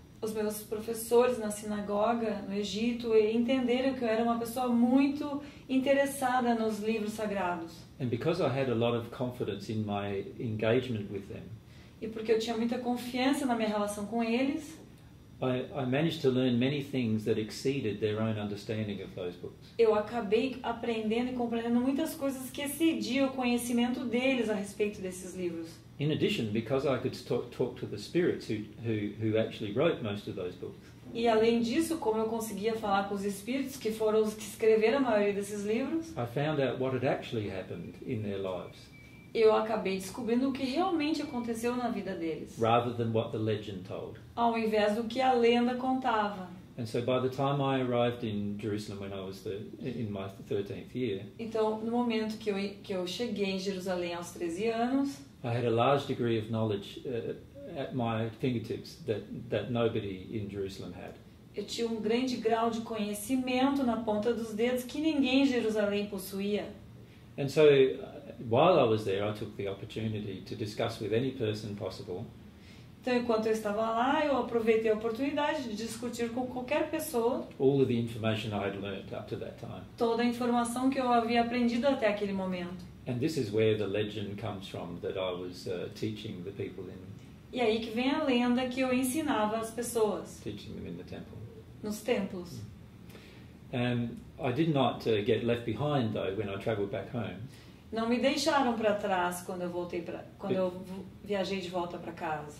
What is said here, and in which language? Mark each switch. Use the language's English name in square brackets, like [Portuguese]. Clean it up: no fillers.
[Portuguese] Os meus professores na sinagoga no Egito entenderam que eu era uma pessoa muito interessada nos livros sagrados. [English] And because I had a lot of confidence in my engagement with them. [Portuguese] E porque eu tinha muita confiança na minha relação com eles. [English] I managed to learn many things that exceeded their own understanding of those books. [Portuguese] Eu acabei aprendendo e compreendendo muitas coisas que excediam o conhecimento deles a respeito desses livros. [English] In addition, because I could talk to the spirits who actually wrote most of those books. [Portuguese] E além disso, como eu conseguia falar com os espíritos que foram os que escreveram a maioria desses livros? [English] I found out what had actually happened in their lives. [Portuguese] Eu acabei descobrindo o que realmente aconteceu na vida deles. [English] Rather than what the legend told. [Portuguese] Ao invés do que a lenda contava. [English] And so by the time I arrived in Jerusalem when I was in my 13th year. [Portuguese] Então, no momento que eu cheguei em Jerusalém aos 13 anos, [English] I had a large degree of knowledge at my fingertips that nobody in Jerusalem had. [Portuguese] Eu tinha um grande grau de conhecimento na ponta dos dedos que ninguém em Jerusalém possuía. [English] And so while I was there, I took the opportunity to discuss with any person possible. [Portuguese] Então, enquanto eu estava lá, eu aproveitei a oportunidade de discutir com qualquer pessoa. [English] All of the information I had learned up to that time. [Portuguese] Toda a informação que eu havia aprendido até aquele momento. [English] And this is where the legend comes from that I was teaching the people in. [Portuguese] E aí que vem a lenda que eu ensinava as pessoas. [English] Teaching them in the temple. [Portuguese] Nos templos. [English] I did not get left behind though when I traveled back home. [Portuguese] Não me deixaram para trás quando eu voltei para quando eu viajei de volta para casa.